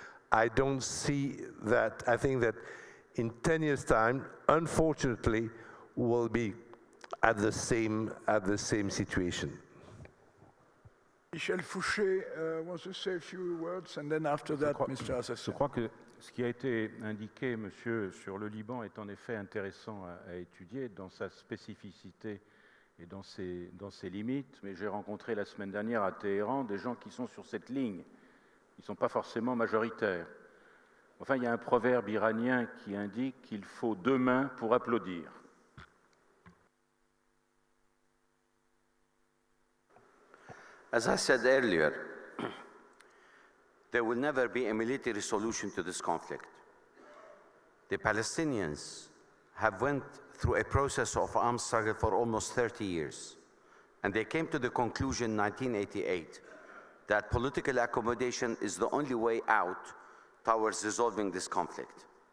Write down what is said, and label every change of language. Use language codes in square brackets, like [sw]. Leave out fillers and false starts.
[en] I don't see that. I think that in 10 years' time, unfortunately, we'll be at the same situation. Michel Foucher wants to say a few words, and then after that, Mr. Hassassian. [fr] Ce qui a été indiqué, monsieur, sur le Liban est en effet intéressant à étudier dans sa spécificité et dans ses limites. Mais j'ai rencontré la semaine dernière à Téhéran des gens qui sont sur cette ligne. Ils ne sont pas forcément majoritaires. Enfin, il y a un proverbe iranien qui indique qu'il faut deux mains pour applaudir. [en] As I said earlier, there will never be a military solution to this conflict. The Palestinians have went through a process of armed struggle for almost 30 years, and they came to the conclusion in 1988 that political accommodation is the only way out towards resolving this conflict.